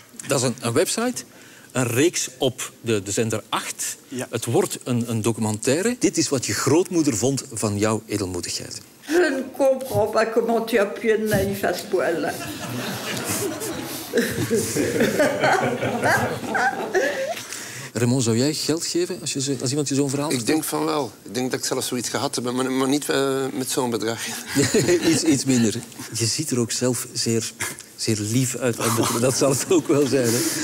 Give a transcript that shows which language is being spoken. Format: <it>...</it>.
<nl>Dat is een website, een reeks op de zender 8. Ja. Het wordt een documentaire. Dit is wat je grootmoeder vond van jouw edelmoedigheid.</nl> <fr>Je ne comprends pas comment tu as pu être naïf à ce point-là.</fr> <nl>Raymond, zou jij geld geven als iemand je zo'n verhaal vertelt? Ik denk van wel. Ik denk dat ik zelf zoiets gehad heb, maar niet met zo'n bedrag. iets minder. Je ziet er ook zelf zeer, zeer lief uit. Dat zal het ook wel zijn. Hè?</nl>